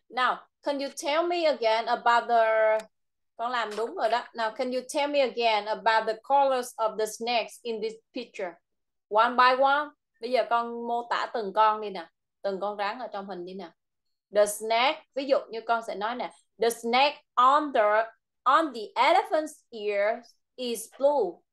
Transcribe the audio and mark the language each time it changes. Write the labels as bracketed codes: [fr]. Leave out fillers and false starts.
[en] Now, can you tell me again about the... [vi] Con làm đúng rồi đó. [en] Now, can you tell me again about the colors of the snakes in this picture? One by one. [vi] Bây giờ con mô tả từng con đi nè. Từng con rắn ở trong hình đi nè. [en] The snake, [vi] ví dụ như con sẽ nói nè. [en] The snake on the elephant's ear is blue.